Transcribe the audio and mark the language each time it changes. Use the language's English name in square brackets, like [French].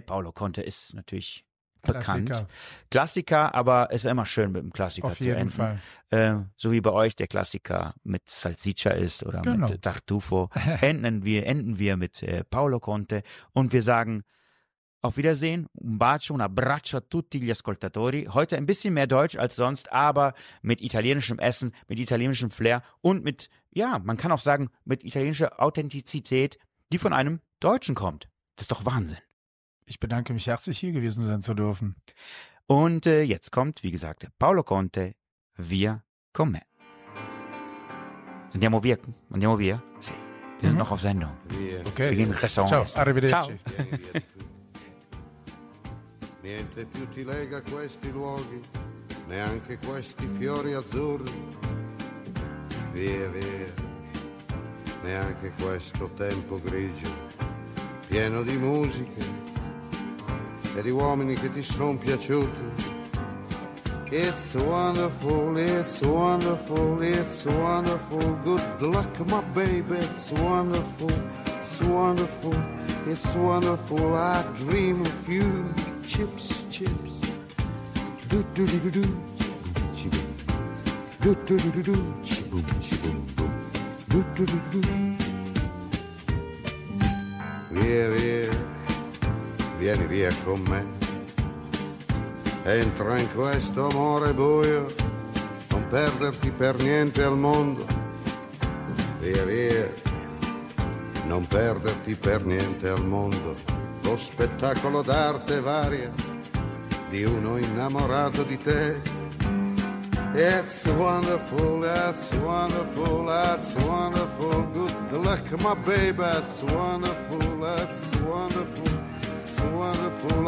[German] Paolo Conte ist natürlich bekannt. Klassiker, aber ist immer schön, mit einem Klassiker zu enden. Auf jeden Fall. So wie bei euch der Klassiker mit Salsiccia ist oder mit Tartufo. Enden wir mit Paolo Conte und wir sagen auf Wiedersehen. [Italian] Un bacio, un abbraccio a tutti gli ascoltatori. [German] Heute ein bisschen mehr Deutsch als sonst, aber mit italienischem Essen, mit italienischem Flair und mit, ja, man kann auch sagen, mit italienischer Authentizität, die von einem Deutschen kommt. Das ist doch Wahnsinn. Ich bedanke mich herzlich, hier gewesen sein zu dürfen. Und jetzt kommt, wie gesagt, Paolo Conte, Via con me. [Italian] Andiamo via. Sì. [German] Wir sind noch auf Sendung. Okay. Wir gehen ins Restaurant. [Italian] Ciao, arrivederci. Ciao. Niente più ti lega questi luoghi, neanche questi fiori azzurri. Via, via. Neanche questo tempo grigio, pieno di musiche e di uomini che ti sono piaciuti. [English] It's wonderful, it's wonderful, it's wonderful. Good luck, my baby. It's wonderful, it's wonderful, it's wonderful. I dream of you. Chips, chips. Do do do do do. Chibum. Do do do do do. Chibum, chibum, boom. Do do do do do. [Italian] Via, via. Vieni via con me, entra in questo amore buio, non perderti per niente al mondo, via via, non perderti per niente al mondo, lo spettacolo d'arte varia di uno innamorato di te, [English] It's wonderful, that's wonderful, that's wonderful. Good luck, my baby. It's wonderful, that's wonderful, it's wonderful.